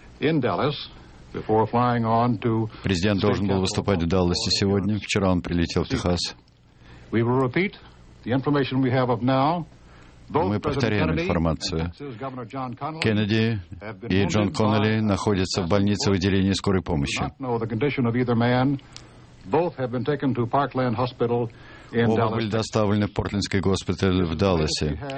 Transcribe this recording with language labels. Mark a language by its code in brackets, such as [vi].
[ru] Президент должен был выступать в Далласе сегодня. Вчера он прилетел в Техас. [en] We will repeat the information we have of now. [ru] Мы повторяем информацию. Кеннеди и Джон Коннелли находятся в больнице в отделении скорой помощи. Оба были доставлены в Портлендский госпиталь в Далласе.